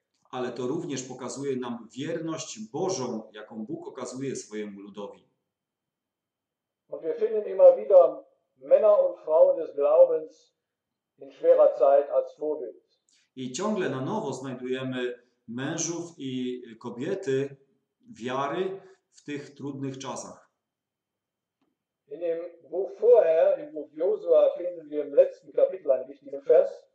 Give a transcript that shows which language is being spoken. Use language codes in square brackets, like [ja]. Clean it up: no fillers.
[pl] Ale to również pokazuje nam wierność Bożą, jaką Bóg okazuje swojemu ludowi. [de] Und wir finden immer wieder Männer und Frauen des Glaubens in schwerer Zeit als Vorbild. [pl] I ciągle na nowo znajdujemy mężów i kobiety wiary w tych trudnych czasach. [de] In dem Buch vorher, im Buch Josua, finden wir im letzten Kapitel einen wichtigen Vers.